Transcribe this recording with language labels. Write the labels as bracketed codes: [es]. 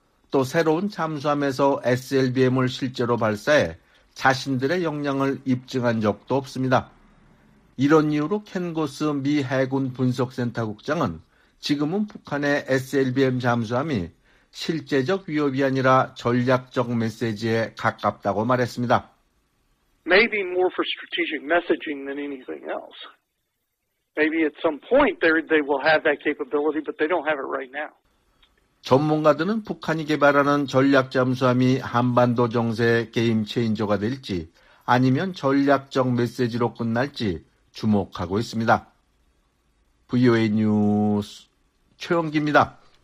[ko] 또 새로운 잠수함에서 SLBM을 실제로 발사해 자신들의 역량을 입증한 적도 없습니다. 이런 이유로 켄고스 미 해군 분석센터 국장은 지금은 북한의 SLBM 잠수함이 실제적 위협이 아니라 전략적 메시지에 가깝다고 말했습니다. [en] Maybe more for strategic messaging than anything else. Maybe at some point they will have that capability, but they don't have it right now. [ko] 전문가들은 북한이 개발하는 전략 잠수함이 한반도 정세의 게임 체인저가 될지 아니면 전략적 메시지로 끝날지 주목하고 있습니다. VOA 뉴스 최영기입니다.